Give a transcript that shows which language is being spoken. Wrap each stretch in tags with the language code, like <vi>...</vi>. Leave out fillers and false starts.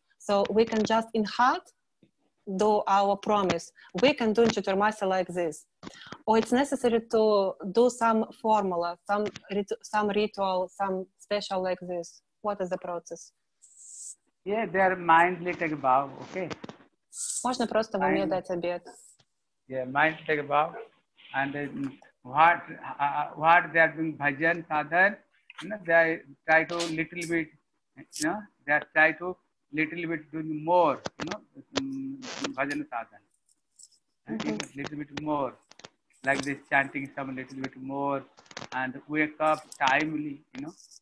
<en>So we can just in heart do our promise. We can do in Chaturmasya like this. Or it's necessary to do some formula, some ritual, some special like this. What is the process? Yeah, they are mindly take a bow, okay?</en> <ru>Можно просто вам её дать обед.</ru> <en>Yeah, mindly take a bow. And what they are doing, bhajan, sadhan, you know, they try to little bit, you know, they are try to little bit doing more, you know, bhajan, sadhan. Little bit more, like this chanting some little bit more and wake up timely, you know.</en>